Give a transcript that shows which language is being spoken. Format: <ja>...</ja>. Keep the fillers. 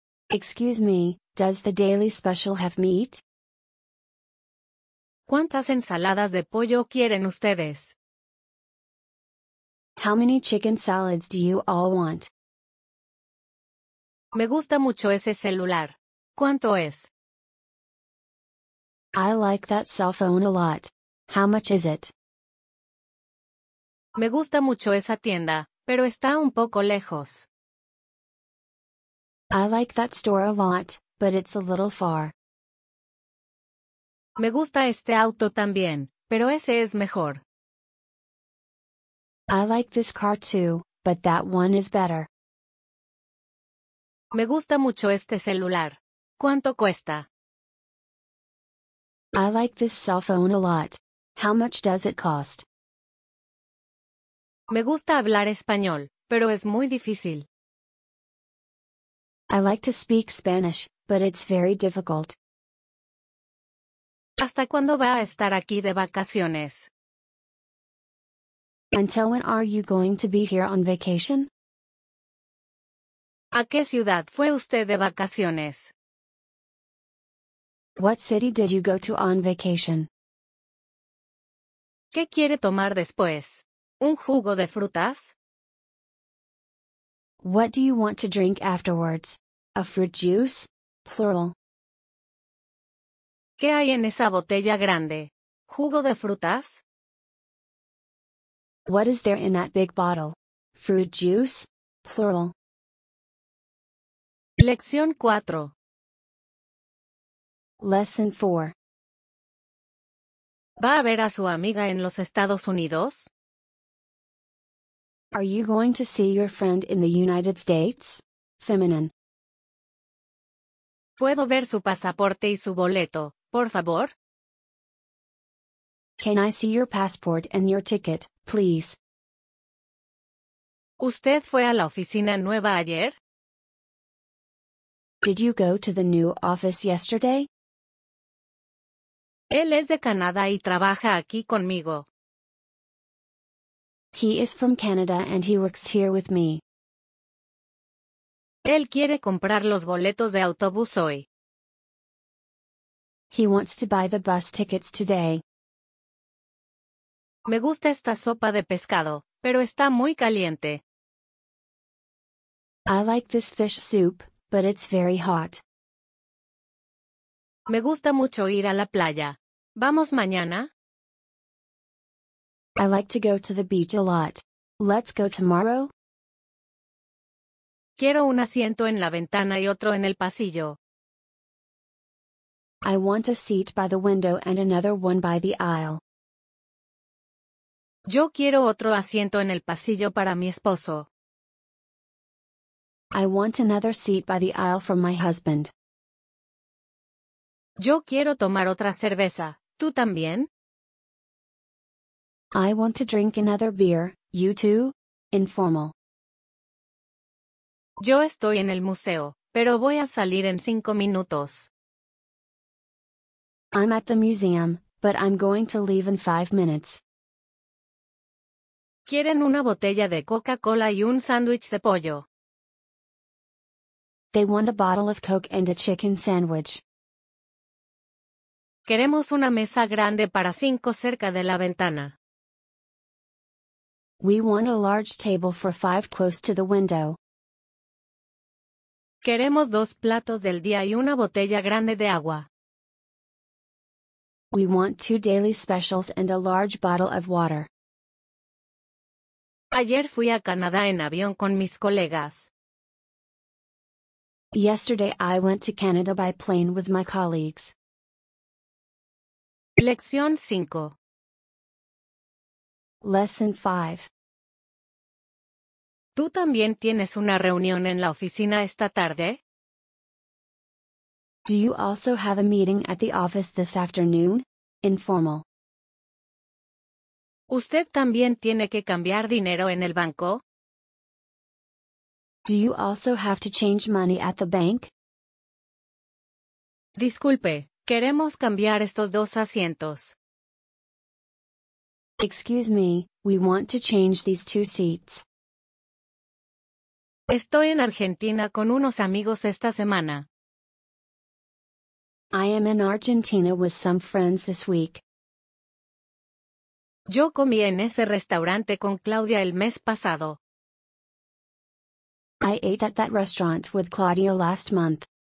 <en>Excuse me, does the daily special have meat?</en> <es>¿Cuántas ensaladas de pollo quieren ustedes?</es> <en>How many chicken salads do you all want?</en> <es>Me gusta mucho ese celular. ¿Cuánto es?</es> <en>I like that cell phone a lot. How much is it?</en> <es>Me gusta mucho esa tienda, pero está un poco lejos.</es> <en>I like that store a lot, but it's a little far.</en> <es>Me gusta este auto también, pero ese es mejor.</es> <en>I like this car too, but that one is better.</en> <es>Me gusta mucho este celular. ¿Cuánto cuesta?</es> <en>I like this cell phone a lot. How much does it cost?</en> <es>Me gusta hablar español, pero es muy difícil.</es> <en>I like to speak Spanish, but it's very difficult.</en> <es>¿Hasta cuándo va a estar aquí de vacaciones?</es> <en>Until when are you going to be here on vacation?</en> <es>¿A qué ciudad fue usted de vacaciones?</es> <en>What city did you go to on vacation?</en> <es>¿Qué quiere tomar después? ¿Un jugo de frutas?</es> <en>What do you want to drink afterwards? A fruit juice? Plural.</en> <es>¿Qué hay en esa botella grande? ¿Jugo de frutas?</es> <en>What is there in that big bottle? Fruit juice? Plural.</en> <es>Lección 4.</es> <en>Lesson 4.</en> <es>¿Va a ver a su amiga en los Estados Unidos?</es> <en>Are you going to see your friend in the United States? Feminine.</en> <es>Puedo ver su pasaporte y su boleto, por favor?</es> <en>Can I see your passport and your ticket, please?</en> <es>¿Usted fue a la oficina nueva ayer?</es> <en>Did you go to the new office yesterday?</en> <es>Él es de Canadá y trabaja aquí conmigo,</es> <en>He is from Canada and he works here with me.</en> <es>Él quiere comprar los boletos de autobús hoy.</es> <en>He wants to buy the bus tickets today.</en> <es>Me gusta esta sopa de pescado, pero está muy caliente.</es> <en>I like this fish soup, but it's very hot.</en> <es>Me gusta mucho ir a la playa. ¿Vamos mañana?</es> <en>I like to go to the beach a lot. Let's go tomorrow.</en> <es>Quiero un asiento en la ventana y otro en el pasillo.</es> <en>I want a seat by the window and another one by the aisle.</en> <es>Yo quiero otro asiento en el pasillo para mi esposo.</es> <en>I want another seat by the aisle for my husband.</en> <es>Yo quiero tomar otra cerveza. ¿Tú también?</es> <en>I want to drink another beer, you too? Informal.</en> <es>Yo estoy en el museo, pero voy a salir en cinco minutos.</es> <en>I'm at the museum, but I'm going to leave in five minutes.</en> <es>Quieren una botella de Coca-Cola y un sándwich de pollo.</es> <en>They want a bottle of Coke and a chicken sandwich.</en> <es>Queremos una mesa grande para cinco cerca de la ventana.</es> <en>We want a large table for five close to the window.</en> <es>Queremos dos platos del día y una botella grande de agua.</es> <en>We want two daily specials and a large bottle of water.</en> <es>Ayer fui a Canadá en avión con mis colegas.</es> <en>Yesterday I went to Canada by plane with my colleagues.</en> <es>Lección cinco.</es> <en>Lesson 5.</en> <es>¿Tú también tienes una reunión en la oficina esta tarde?</es> <en>Do you also have a meeting at the office this afternoon? Informal.</en> <es>¿Usted también tiene que cambiar dinero en el banco?</es> <en>Do you also have to change money at the bank?</en> <es>Disculpe, queremos cambiar estos dos asientos.</es> <en>Excuse me, we want to change these two seats.</en> <es>Estoy en Argentina con unos amigos esta semana.</es> <en>I am in Argentina with some friends this week.</en> <es>Yo comí en ese restaurante con Claudia el mes pasado.</es> <en>I ate at that restaurant with Claudia last month.</en>